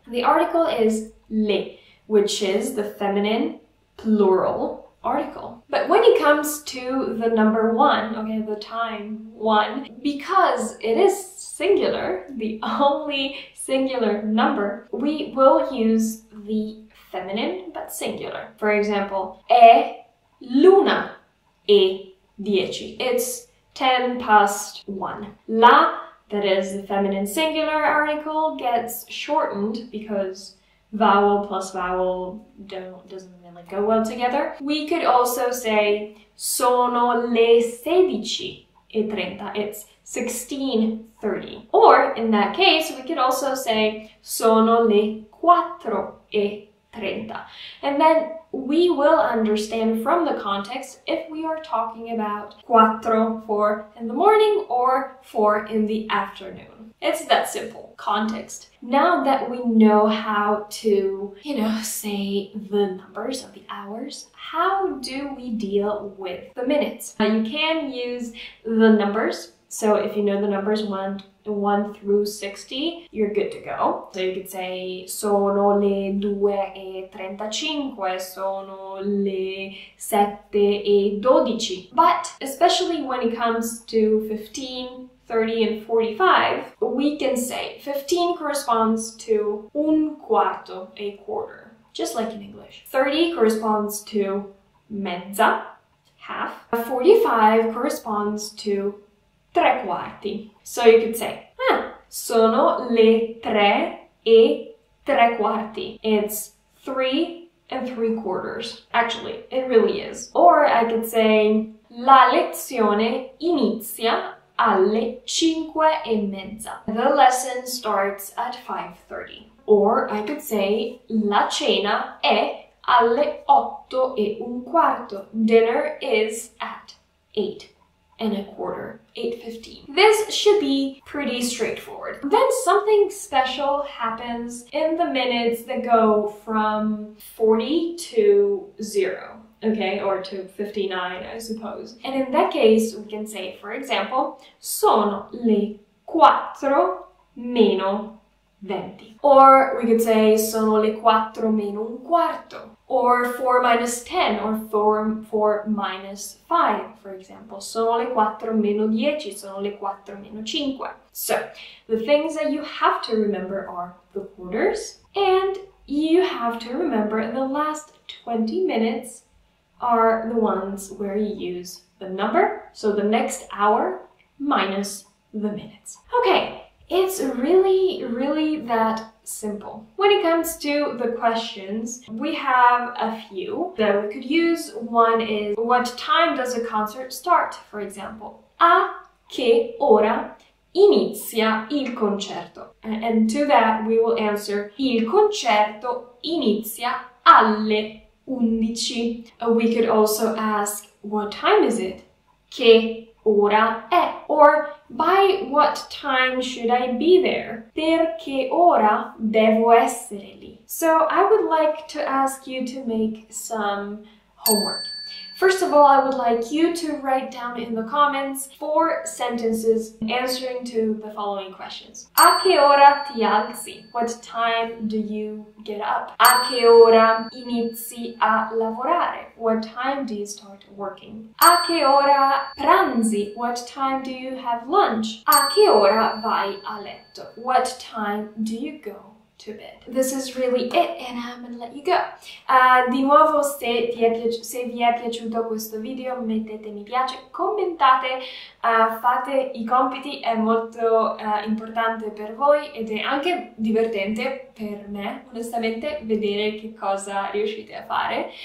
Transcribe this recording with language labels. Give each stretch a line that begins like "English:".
English: The article is le, which is the feminine plural article. But when it comes to the number one, okay, the time one, because it is singular, the only singular number, we will use the feminine but singular. For example,
Italian: è l'una e dieci.
English: It's 10 past 1. La, that is the feminine singular article, gets shortened because vowel plus vowel doesn't really go well together. We could also say
Italian: sono le sedici, e 30.
English: It's 16:30. Or in that case, we could also say
Italian: sono le 4 e 30.
English: And then we will understand from the context if we are talking about 4, 4 in the morning, or 4 in the afternoon. It's that simple. Context. Now that we know how to, you know, say the numbers of the hours, how do we deal with the minutes? You can use the numbers. So if you know the numbers 1 through 60, you're good to go. So you could say
Italian: sono le 2 e 35, sono le 7 e 12.
English: But especially when it comes to 15, 30 and 45, we can say 15 corresponds to un quarto, a quarter, just like in English. 30 corresponds to mezza, half. 45 corresponds to tre quarti. So you could say,
Italian: sono le tre e tre quarti.
English: It's 3 3/4. Actually, it really is. Or I could say,
Italian: la lezione inizia alle 5:30.
English: The lesson starts at 5:30. Or I could say,
Italian: la cena è alle 8:15.
English: Dinner is at 8:15. 8:15. This should be pretty straightforward. Then something special happens in the minutes that go from 40 to 0. Okay, or to 59, I suppose. And in that case, we can say, for example,
Italian: sono le 4 meno 20.
English: Or we could say
Italian: sono le 4 meno un quarto.
English: Or 4 minus 10, or 4 minus 5, for example.
Italian: Sono le 4 meno 10, sono le 4 meno 5.
English: So, the things that you have to remember are the quarters, and you have to remember the last 20 minutes are the ones where you use the number, so the next hour minus the minutes. Okay, it's really, really that simple. When it comes to the questions, we have a few that we could use. One is, what time does a concert start, for example?
Italian: A che ora inizia il concerto?
English: And to that we will answer,
Italian: il concerto inizia alle 11.
English: We could also ask, what time is it?
Italian: Che ora è?
English: Or, by what time should I be there?
Italian: Per che ora devo essere lì?
English: So, I would like to ask you to make some homework. First of all, I would like you to write down in the comments 4 sentences answering to the following questions.
Italian: A che ora ti alzi?
English: What time do you get up?
Italian: A che ora inizi a lavorare?
English: What time do you start working?
Italian: A che ora pranzi?
English: What time do you have lunch?
Italian: A che ora vai a letto?
English: What time do you go to bed? This is really it, and I'm gonna let you go.
Italian: Di nuovo, se vi è piaciuto questo video, mettete mi piace, commentate, fate I compiti, è molto importante per voi ed è anche divertente per me, onestamente, vedere che cosa riuscite a fare.